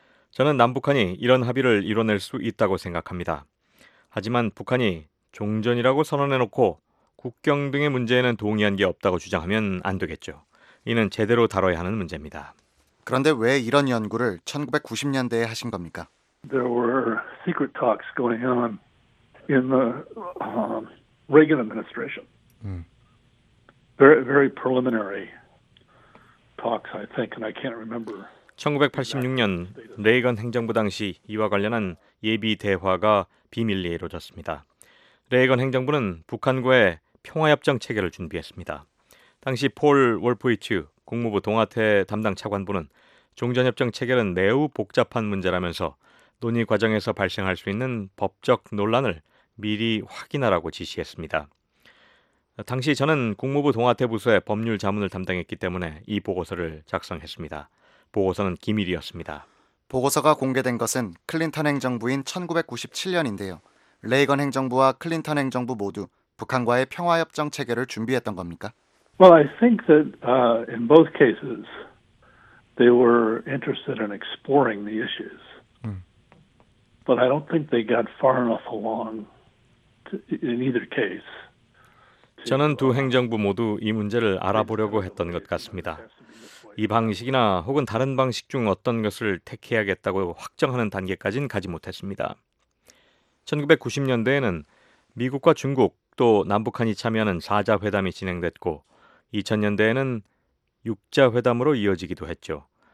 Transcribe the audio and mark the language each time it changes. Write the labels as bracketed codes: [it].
[ko] 저는 남북한이 이런 합의를 이뤄낼 수 있다고 생각합니다. 하지만 북한이 종전이라고 선언해놓고 국경 등의 문제에는 동의한 게 없다고 주장하면 안 되겠죠. 이는 제대로 다뤄야 하는 문제입니다. 그런데 왜 이런 연구를 1990년대에 하신 겁니까? [en] There were secret talks going on in the Reagan administration. Very, very preliminary talks, I think, and I can't remember. [ko] 1986년 레이건 행정부 당시 이와 관련한 예비 대화가 비밀리에 이루어졌습니다. 레이건 행정부는 북한과의 평화협정 체결을 준비했습니다. 당시 폴 월프위츠 국무부 동아태 담당 차관부는 종전협정 체결은 매우 복잡한 문제라면서 논의 과정에서 발생할 수 있는 법적 논란을 미리 확인하라고 지시했습니다. 당시 저는 국무부 동아태 부서의 법률 자문을 담당했기 때문에 이 보고서를 작성했습니다. 보고서는 기밀이었습니다. 보고서가 공개된 것은 클린턴 행정부인 1997년인데요. 레이건 행정부와 클린턴 행정부 모두 북한과의 평화협정 체결을 준비했던 겁니까? [en] Well, I think that in both cases they were interested in exploring the issues. But I don't think they got far enough along in either case. [ko] 저는 두 행정부 모두 이 문제를 알아보려고 했던 것 같습니다. 이 방식이나 혹은 다른 방식 중 어떤 것을 택해야겠다고 확정하는 단계까지는 가지 못했습니다. 1990년대에는 미국과 중국 또 남북한이 참여하는 4자 회담이 진행됐고 2000년대에는 6자 회담으로 이어지기도 했죠.